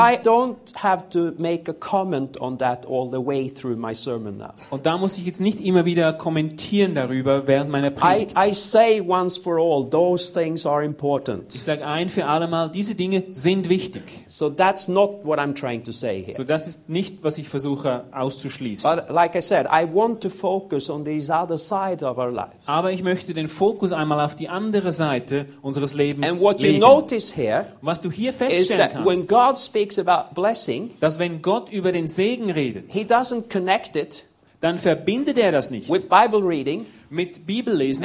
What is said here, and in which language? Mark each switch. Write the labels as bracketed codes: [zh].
[en] And I don't have to make a comment on that all the way through my sermon now. [de] Und da muss ich jetzt nicht immer wieder kommentieren darüber während meiner Predigt. [en] I say once for all, those things are important. [de] Ich sage ein für alle Mal, diese Dinge sind wichtig. [en] So that's not what I'm trying to say here. [de] So das ist nicht, was ich versuche auszuschließen. [en] But like I said, I want to focus on these other sides of our lives. [de] Aber ich möchte den Fokus einmal auf die andere Seite unseres Lebens legen. [en] And what [de] legen. [en] You notice here, [de] was du hier feststellen kannst, [en] when God speaks about blessing, [de] dass wenn Gott über den Segen redet, [en] he doesn't connect it, [de] dann verbindet er das nicht [en] with Bible reading, [de] mit Bibellesen